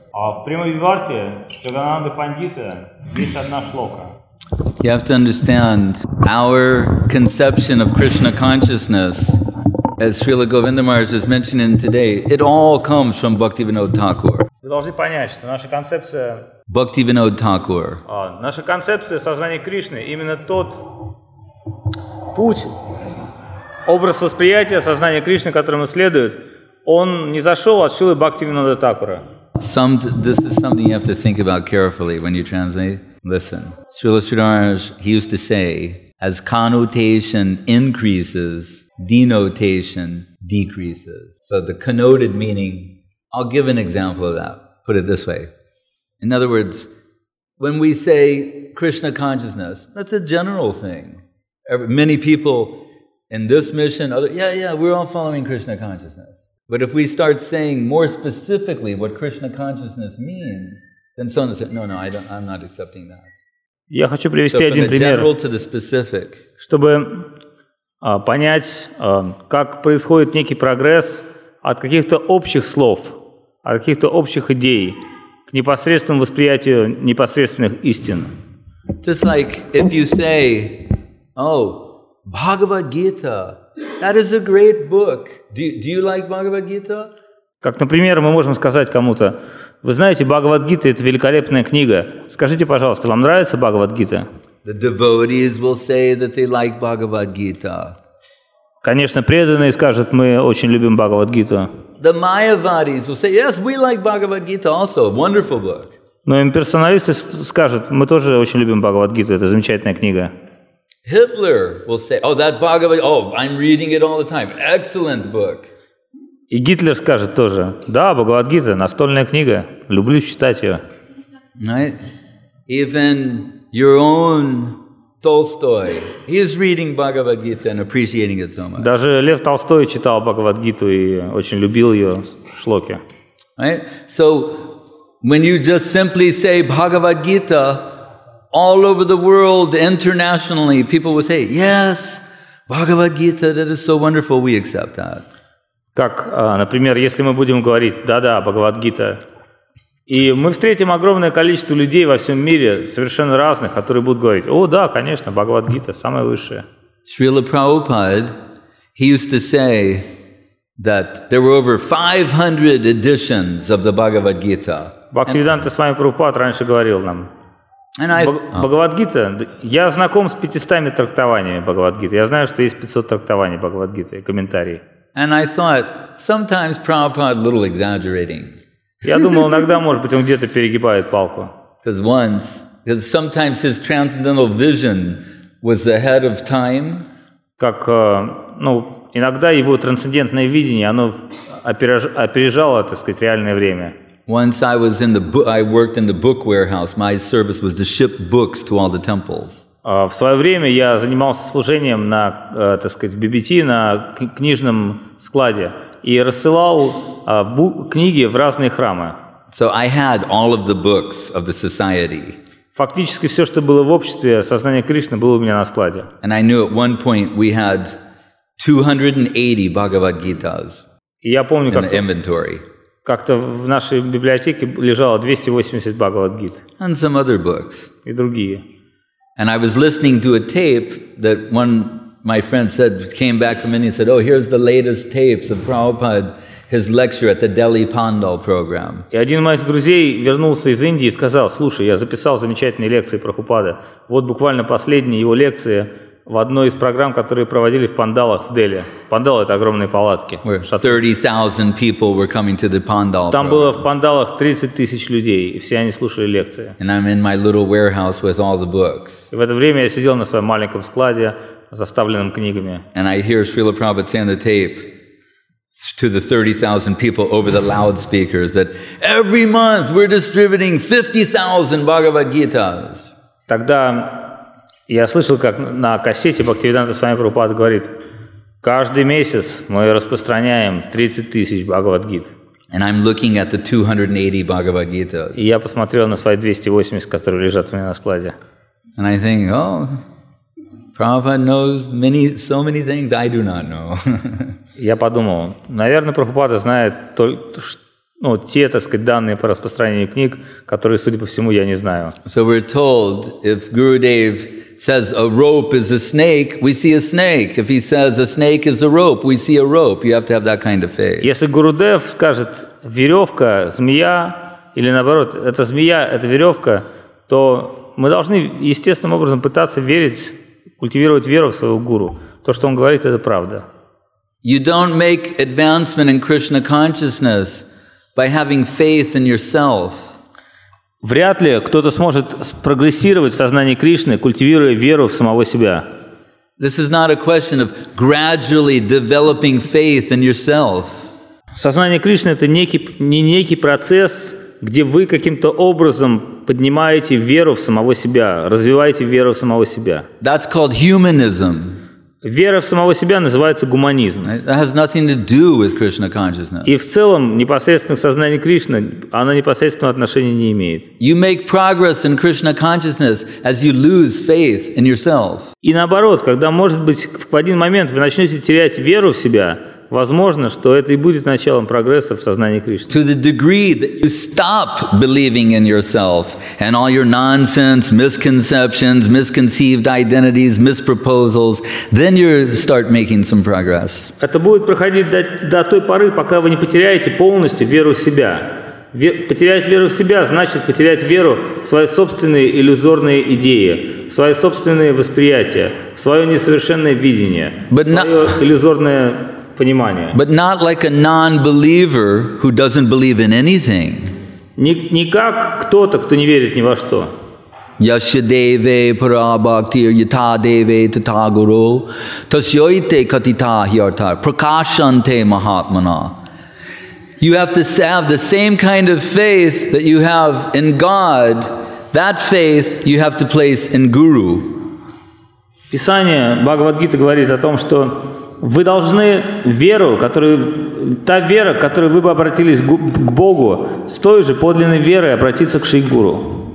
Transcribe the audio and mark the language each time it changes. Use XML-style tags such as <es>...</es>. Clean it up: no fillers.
<ru>В Према Бибарте Джагананда Пандита есть одна шлока.</ru> <en>You have to understand our conception of Krishna consciousness, as Srila Govinda Maharaj is mentioning today, it all comes from Bhaktivinoda Thakur.</en> <ru>Вы должны понять, что наша концепция Бхактивинода Такур. Наша концепция сознания Кришны именно тот путь, образ восприятия сознания Кришны, которому следует, он не зашел от Шрилы Бхактивинода Такура.</ru> <en>This is something you have to think about carefully when you translate. Listen, Srila Sridharaj, he used to say, as connotation increases, denotation decreases. So the connoted meaning, I'll give an example of that. Put it this way. In other words, when we say Krishna consciousness, that's a general thing. Many people in this mission, we're all following Krishna consciousness. But if we start saying more specifically what Krishna consciousness means, then someone says, I'm not accepting that.</en> <ru>Я хочу привести один пример, чтобы понять, как происходит некий прогресс от каких-то общих слов, от каких-то общих идей к непосредственному восприятию непосредственных истин.</ru> <en>Just like if you say, Bhagavad Gita, that is a great book. Do you like Bhagavad Gita?</en> <ru>Как, например, мы можем сказать кому-то: вы знаете, Бхагавад Гита – это великолепная книга. Скажите, пожалуйста, вам нравится Бхагавад Гита?</ru> <en>The devotees will say that they like Bhagavad Gita.</en> <ru>Конечно, преданные скажут: мы очень любим Бхагавад Гиту.</ru> <en>The Mayavadis will say, yes, we like Bhagavad Gita also. Wonderful book.</en> <ru>Но имперсоналисты скажут: мы тоже очень любим Бхагавад Гиту. Это замечательная книга.</ru> <en>Hitler will say, that Bhagavad Gita, I'm reading it all the time. Excellent book.</en> <ru>И Гитлер скажет тоже: да, Бхагавад Гита, настольная книга, люблю читать ее.</ru> <en>Right? Even your own Tolstoy, he's reading Bhagavad Gita and appreciating it so much.</en> <ru>Даже Лев Толстой читал Бхагавад Гиту и очень любил ее шлоки.</ru> <en>Right? So, when you just simply say Bhagavad Gita, all over the world, internationally, people will say, yes, Bhagavad Gita, that is so wonderful, we accept that.</en> <ru>Как, например, если мы будем говорить «да-да, Бхагавад Гита», и мы встретим огромное количество людей во всем мире, совершенно разных, которые будут говорить: «О, да, конечно, Бхагавад Гита, самое высшее».</ru> <en>Srila Prabhupada, he used to say that there were over 500 editions of the Bhagavad Gita.</en> <ru>Бхактивиданта с вами Прабхупад раньше говорил нам. Бхагавад Гита, я знаком с 500 трактованиями Бхагавад Гита. Я знаю, что есть 500 трактований Бхагавад Гита и комментарии.</ru> <en>And I thought, sometimes Prabhupada a little exaggerating.</en> <ru>Я думал, иногда, может быть, он где-то перегибает палку.</ru> <en>Because sometimes his transcendental vision was ahead of time.</en> <ru>Как, иногда его трансцендентное видение, оно опережало, так сказать, реальное время.</ru> <en>Once I was in the book, I worked in the book warehouse. My service was to ship books to all the temples.</en> <ru>В свое время я занимался служением на, так сказать, в BBT, на книжном складе, и рассылал книги в разные храмы.</ru> <en>So I had all of the books of the society.</en> <ru>Фактически все, что было в обществе сознания Кришны, было у меня на складе.</ru> <en>And I knew at one point we had 280 Bhagavad Gitas.</en> <ru>И я помню, как</ru> <en>inventory.</en> <ru>Как-то в нашей библиотеке лежало 280 Бхагавад Гит.</ru> <en>And some other books.</en> <ru>И другие.</ru> <en>And I was listening to a tape that one my friend said came back from India and said, here's the latest tapes of Prabhupada, his lecture at the Delhi Pandal program.</en> <ru>И один из моих друзей вернулся из Индии и сказал: слушай, я записал замечательные лекции Прабхупады. Вот буквально последние его лекции в одной из программ, которые проводили в Пандалах в Дели. Пандал – это огромные палатки.</ru> <en>30,000 people were coming to the Pandal</en> <ru>program. Там было в Пандалах 30 тысяч людей, и все они слушали лекции.</ru> <en>And I'm in my little warehouse with all the books.</en> <ru>И в это время я сидел на своем маленьком складе, заставленном книгами.</ru> <en>And I hear Srila Prabhupada say on the tape to the 30,000 people over the loudspeakers that every month we're distributing 50,000 Bhagavad Gitas.</en> <ru>Тогда я слышал, как на кассете Бхактивиданта с вами Прабхупада говорит: каждый месяц мы распространяем 30 тысяч Бхагавад-гит.</ru> <en>And I'm looking at the 280 Bhagavad Gita.</en> <ru>И я посмотрел на свои 280, которые лежат у меня на складе.</ru> <en>And I think, oh, Prabhupada knows many, so many things I do not know.</en> <ru>Я подумал, наверное, Прабхупада знает только ну, те, так сказать, данные по распространению книг, которые, судя по всему, я не знаю.</ru> <en>So we're told, if Guru Dev says a rope is a snake, we see a snake. If he says a snake is a rope, we see a rope. You have to have that kind of faith.</en> <ru>Если Гуру Дев скажет веревка, змея, или наоборот, это змея, это веревка, то мы должны естественным образом пытаться верить, культивировать веру в своего гуру. То, что он говорит, это правда.</ru> <en>You don't make advancement in Krishna consciousness by having faith in yourself.</en> <ru>Вряд ли кто-то сможет прогрессировать в сознании Кришны, культивируя веру в самого себя.</ru> <en>This is not a question of gradually developing faith in yourself.</en> <ru>Сознание Кришны – это не некий процесс, где вы каким-то образом поднимаете веру в самого себя, развиваете веру в самого себя.</ru> <en>That's called humanism.</en> <ru>Вера в самого себя называется гуманизм.</ru> <en>It has nothing to do with Krishna consciousness.</en> <ru>И в целом непосредственно к сознанию Кришны оно непосредственного отношения не имеет.</ru> <en>You make progress in Krishna consciousness as you lose faith in yourself.</en> <ru>И наоборот, когда, может быть, в один момент вы начнете терять веру в себя, возможно, что это и будет началом прогресса в сознании Кришны.</ru> <en>To the degree that you stop believing in yourself and all your nonsense, misconceptions, misconceived identities, misproposals, then you start making some progress.</en> <ru>Это будет проходить до той поры, пока вы не потеряете полностью веру в себя. Потерять веру в себя значит потерять веру в свои собственные иллюзорные идеи, в свои собственные восприятия, в свое несовершенное видение, иллюзорное понимание.</ru> <en>But not like a non-believer who doesn't believe in anything.</en> <ru>Не как кто-то, кто не верит ни во что.</ru> <sa>Yashadeve parabhakti yatadeve tathaguru tasyoite katita hyartha prakashante mahatmana.</sa> <en>You have to have the same kind of faith that you have in God, that faith you have to place in Guru.</en> <ru>Писание Бхагавад-гита говорит о том, что вы должны веру, которую, та вера, к которой вы бы обратились к Богу, с той же подлинной верой обратиться к Шри-гуру.</ru>